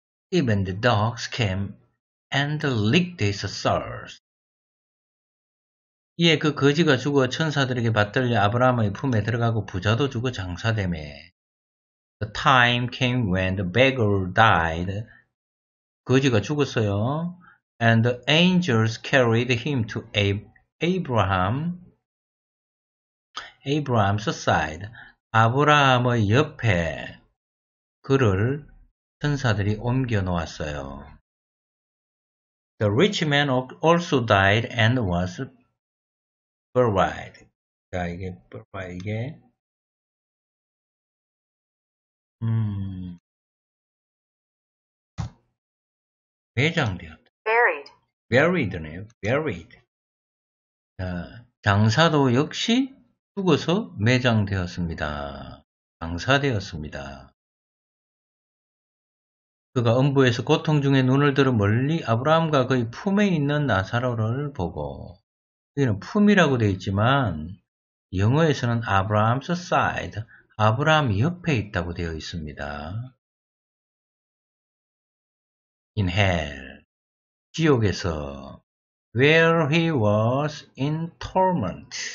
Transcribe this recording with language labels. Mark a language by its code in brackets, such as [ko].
[en] Even the dogs came and licked his sores. [ko] 이에 그 거지가 죽어 천사들에게 받들려 아브라함의 품에 들어가고 부자도 죽어 장사되매. [en] The time came when the beggar died. [ko] 거지가 죽었어요. [en] And the angels carried him to Abraham. Abraham's side. [ko] 아브라함의 옆에 그를 천사들이 옮겨 놓았어요. [en] The rich man also died and was buried. [ko] 자, 이게 buried. 이게 매장되었다. [en] Buried. Buried네요. Buried. [ko] 자, 장사도 역시 죽어서 매장되었습니다. 장사되었습니다. 그가 음부에서 고통 중에 눈을 들어 멀리 아브라함과 그의 품에 있는 나사로를 보고, 여기는 품이라고 되어 있지만 영어에서는 [en] Abraham's side, [ko] 아브라함 옆에 있다고 되어 있습니다. [en] In hell, [ko] 지옥에서, [en] where he was in torment.